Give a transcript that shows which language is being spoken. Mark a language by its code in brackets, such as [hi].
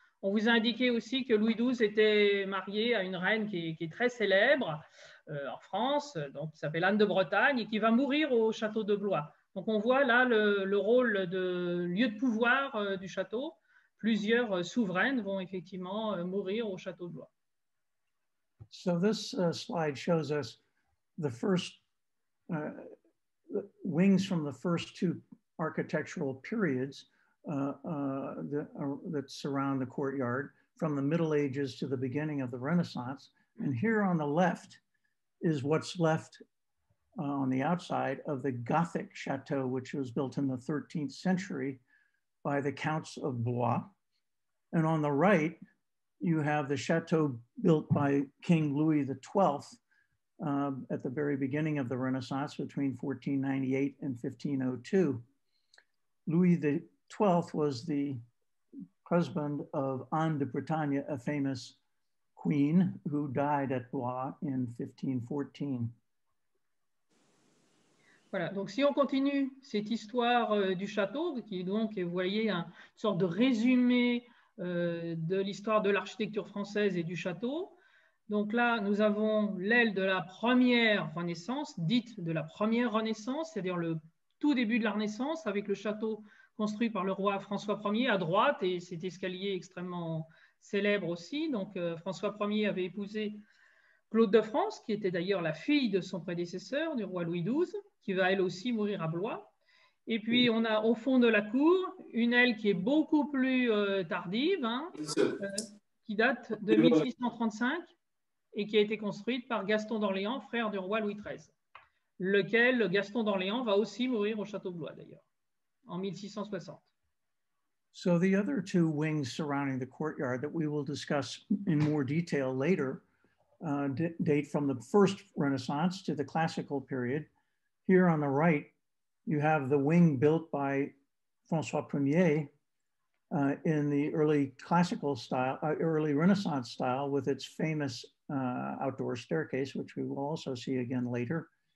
[fr] On vous a indiqué aussi que Louis XII était marié à une reine qui est très célèbre en France, donc qui s'appelle Anne de Bretagne, et qui va mourir au château de Blois. Donc on voit là le rôle de lieu de pouvoir du château. Plusieurs souveraines vont effectivement mourir au château de Blois. [en] So this slide shows us the first wings from the first two architectural periods that surround the courtyard from the Middle Ages to the beginning of the Renaissance. And here on the left is what's left on the outside of the Gothic chateau, which was built in the 13th century by the Counts of Blois. And on the right, you have the chateau built by King Louis XII at the very beginning of the Renaissance between 1498 and 1502. Louis XII was the husband of Anne de Bretagne, a famous queen who died at Blois in 1514. [fr] Voilà, donc si on continue cette histoire du château, qui donc, vous voyez, une sorte de résumé de l'histoire de l'architecture française et du château. Donc là, nous avons l'aile de la première Renaissance, dite de la première Renaissance, c'est-à-dire le tout début de la Renaissance, avec le château construit par le roi François Ier à droite, et cet escalier extrêmement célèbre aussi. Donc François Ier avait épousé Claude de France, qui était d'ailleurs la fille de son prédécesseur, du roi Louis XII, qui va elle aussi mourir à Blois. Et puis, on a au fond de la cour une aile qui est beaucoup plus tardive, hein, qui date de 1635 et qui a été construite par Gaston d'Orléans, frère du roi Louis XIII, lequel Gaston d'Orléans va aussi mourir au château de Blois, d'ailleurs, en 1660. [en] So the other two wings surrounding the courtyard that we will discuss in more detail later date from the first Renaissance to the classical period. Here on the right, you have the wing built by François Ier in the early classical style, early Renaissance style, with its famous outdoor staircase, which we will also see again later.